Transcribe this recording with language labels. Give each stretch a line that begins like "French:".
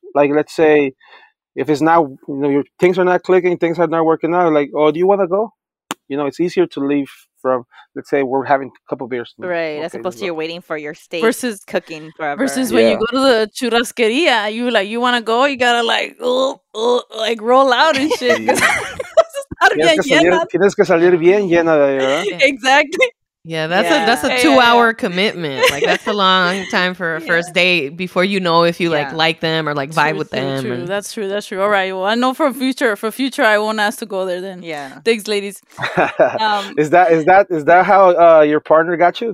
English: Like, let's say if it's not, you know, your things are not clicking, things are not working out, like, oh, do you want to go? You know, it's easier to leave. From, let's say we're having a couple beers. Right, as opposed to you're waiting for your steak versus cooking forever. Versus when you go to the churrasqueria, you like, you want to go, you gotta like, like roll out and shit.
Spanish: Tienes que salir bien llena de ahí, ¿verdad?
English: Exactly. Yeah, that's a two-hour commitment. Like, that's a long time for a first date before you know if you, like them or, like, vibe with them. True. That's true. That's true. All right. Well, I know for future, I won't ask to go there then. Yeah. Thanks, ladies. is that how your partner got you?